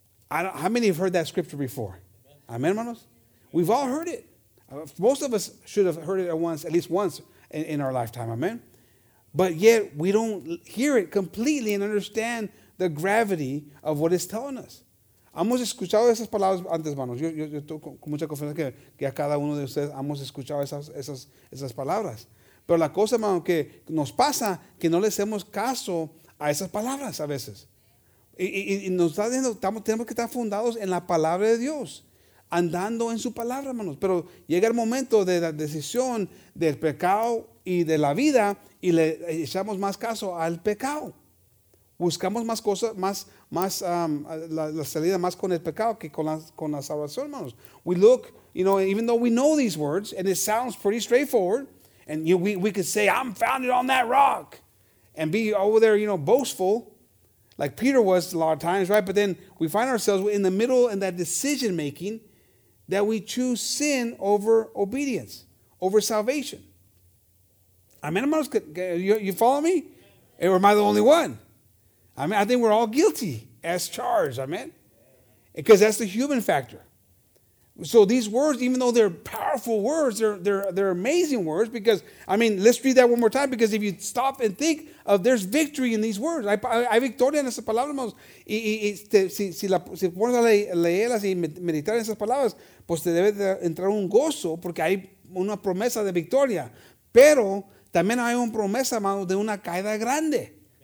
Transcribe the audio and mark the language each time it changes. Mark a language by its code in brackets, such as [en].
[en] How many have heard that scripture before? Amen, hermanos? We've all heard it. Most of us should have heard it at least once in our lifetime. Amen. But yet, we don't hear it completely and understand the gravity of what it's telling us. [es] Hemos escuchado esas palabras antes, hermanos. Yo estoy con mucha confianza que a cada uno de ustedes hemos escuchado esas palabras. Pero la cosa, hermano, que nos pasa, que no le hacemos caso a esas palabras a veces. Y nos está diciendo, tenemos que estar fundados en la palabra de Dios, andando en su palabra, hermanos. Pero llega el momento de la decisión del pecado y de la vida, y le echamos más caso al pecado. Buscamos más cosas, la salida más con el pecado que con la salvación, hermanos. [en] We look, you know, even though we know these words, and it sounds pretty straightforward, and we could say, I'm founded on that rock, and be over there, you know, boastful, like Peter was a lot of times, right? But then we find ourselves in the middle in that decision-making that we choose sin over obedience, over salvation. Amen, hermanos, you follow me? Or am I the only one? I mean, I think we're all guilty as charged, amen? Because that's the human factor. So these words, even though they're powerful words, they're amazing words, because, I mean, let's read that one more time, because if you stop and think of, there's victory in these words. [es] Hay victoria en esas palabras, hermanos. Si pones a leerlas y meditar en esas palabras, pues te debe de entrar un gozo, porque hay una promesa de victoria. Pero también hay una promesa, hermanos, de una caída grande.